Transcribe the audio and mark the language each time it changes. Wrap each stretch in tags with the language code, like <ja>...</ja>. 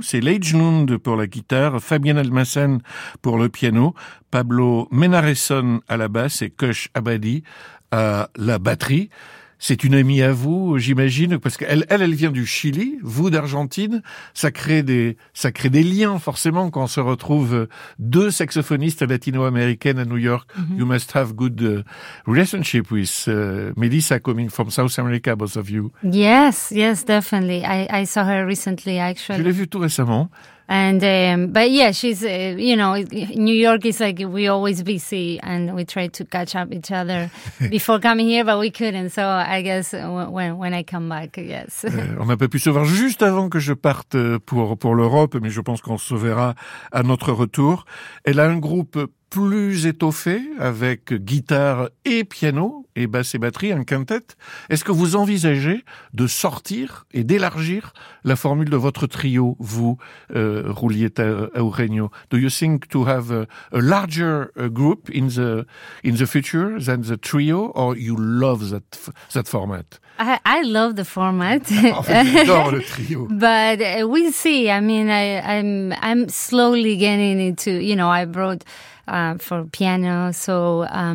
<fr>C'est Leigh Lund pour la guitare, Fabien Almassen pour le piano, Pablo Menareson à la basse et Kush Abadi à la batterie. C'est une amie à vous, j'imagine, parce qu'elle, elle vient du Chili, vous d'Argentine. Ça crée des liens, forcément, quand on se retrouve deux saxophonistes latino-américaines à New York. Mm-hmm.</fr> <en>You must have good relationship with Melissa coming from South America, both of you. Yes, yes, definitely. I saw her recently, actually.</en> <fr>Je l'ai vue tout récemment.</fr> <en>And but yeah, she's you know, New York is like we always busy and we try to catch up each other before coming here, but we couldn't. So I guess when I come back, yes.</en> <fr>On n'a pas pu se voir juste avant que je parte pour l'Europe, mais je pense qu'on se verra à notre retour. Elle a un groupe plus étoffé avec guitare et piano et basse et batterie, un quintet. Est-ce que vous envisagez de sortir et d'élargir la formule de votre trio, vous, Julieta Eugenio?</fr> <en>Do you think to have a larger group in the future than the trio, or you love that format? I love the format.</en> <fr>En fait, j'adore le trio.</fr> <en>But we'll see. I mean, I'm slowly getting into, you know, I brought for piano, so</en>